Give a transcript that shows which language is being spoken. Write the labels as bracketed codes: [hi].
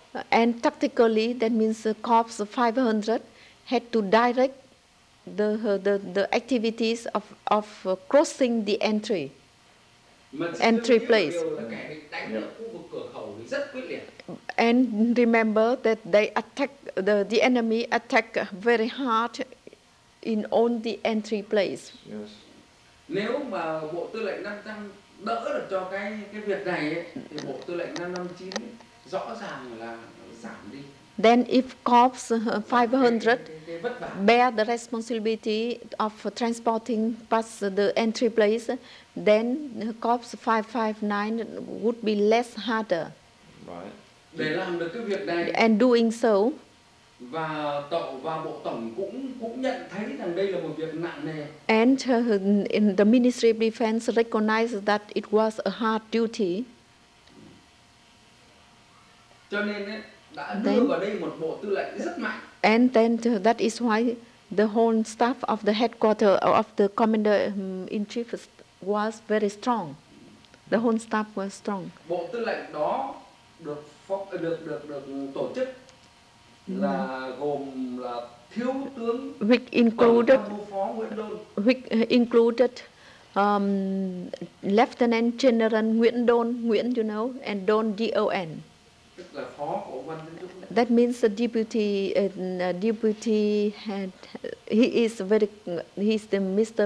[en] And tactically, that means the corps 500 had to direct the activities of crossing the entry place. Yeah. And remember that they attack the enemy attack very hard in all the entry place. Yes. [vi] Nếu mà Bộ Tư lệnh 500 đỡ được cho cái việc này ấy, thì Bộ Tư lệnh 559 rõ ràng là giảm đi. [en] Then if Corps 500 bear the responsibility of transporting past the entry place, then Corps 559 would be less harder. Right. [vi] Để làm được cái việc này. [en] And doing so, [vi] và bộ tổng cũng nhận thấy rằng đây là một việc nặng nề. [en] And in the Ministry of Defense recognized that it was a hard duty. [vi] Cho nên đã đưa then, vào đây một bộ tư lệnh rất mạnh. [en] And then that is why the whole staff of the headquarters of the commander in chief was very strong. The whole staff was strong. [vi] Bộ tư lệnh đó được tổ chức là gồm là thiếu tướng [en] which included Lieutenant General Nguyễn Đôn, Nguyễn, you know, and Đôn, D-O-N. [vi] Tức là phó của Văn Đức. [en] That means the deputy had, he is very, he's the Mr.